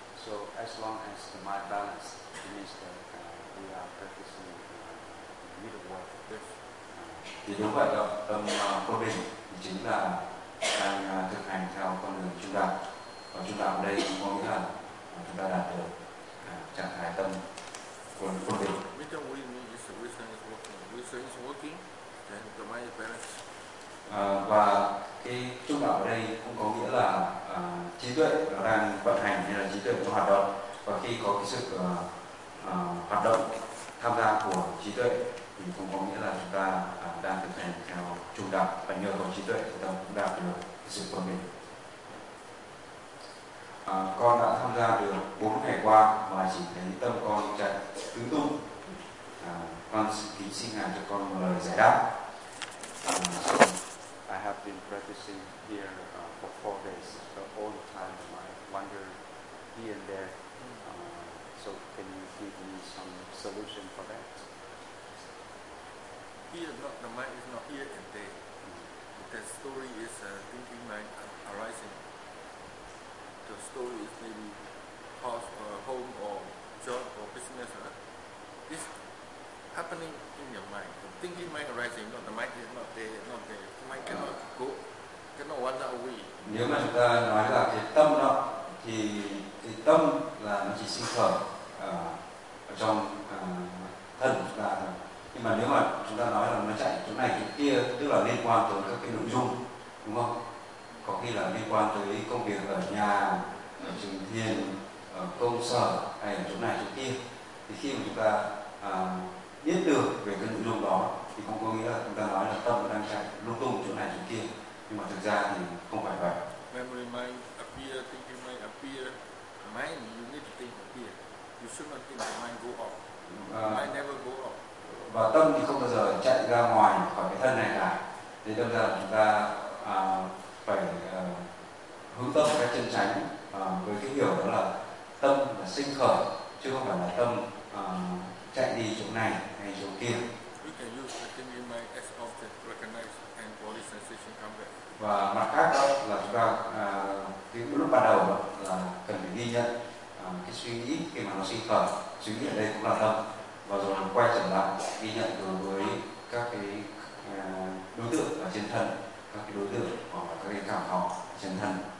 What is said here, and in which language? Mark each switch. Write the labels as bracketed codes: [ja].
[en] So as long as the mind balanced, it means that we are practicing the middle way. [vi] Thì đúng vậy đó, tâm quân bình chính là đang thực hành theo con đường trung đạo. Và trung đạo ở đây cũng có nghĩa là chúng ta đạt được trạng thái tâm quân bình. [en] Middle way means the wisdom is working. Wisdom is working, then the mind is balanced. [vi] Và cái trung đạo ở đây cũng có nghĩa là trí tuệ nó đang vận hành hay là trí tuệ nó hoạt động, và khi có cái sự hoạt động tham gia của trí tuệ thì cũng có nghĩa là chúng ta đang thực hành theo trung đạo, và nhờ có trí tuệ chúng ta cũng đạt được cái sự quân bình. Con đã tham gia được 4 ngày qua mà chỉ thấy tâm con chạy tứ tung. Con kính xin Ngài cho con một lời giải đáp. [en] I have been practicing here for 4 days, so all the time I wander here and there. So can you give me some solution for that? Here, not the mind is not here and there. The story is thinking mind arising. The story is maybe house or home or job or business. This happening in your mind. The thinking mind arising, not the mind is not there, not there. The mind cannot go, cannot wander away. [vi] Nếu mà chúng ta nói là cái tâm đó, thì tâm là nó chỉ sinh khởi ở trong thân của chúng ta thôi. Nhưng mà nếu mà chúng ta nói là nó chạy chỗ này chỗ kia, tức là liên quan tới các cái nội dung, đúng không? Có khi là liên quan tới công việc ở nhà, ở trường thiền, ở công sở hay ở chỗ này chỗ kia, thì khi mà chúng ta biết được về cái nội dung đó thì không có nghĩa là chúng ta nói là tâm đang chạy lung tung chỗ này chỗ kia, nhưng mà thực ra thì không phải vậy. [en] Memory might appear, thinking might appear. Mind, you need to think appear. You should not think the mind go off. Mind never go off. [vi] Và tâm thì không bao giờ chạy ra ngoài khỏi cái thân này cả. Thế đâm ra chúng ta phải hướng tâm cái chân chánh với cái hiểu đó là tâm là sinh khởi, chứ không phải là tâm chạy đi chỗ này hay chỗ kia. [en] You can use the thinking mind as object, recognize and body sensation come back. [vi] Và mặt khác đó là chúng ta cái lúc ban đầu là cần phải ghi nhận cái suy nghĩ khi mà nó sinh khởi, suy nghĩ ở đây cũng là tâm, và rồi quay trở lại ghi nhận đối với các cái đối tượng ở trên thân, các cái đối tượng hoặc là các cái cảm thọ trên thân.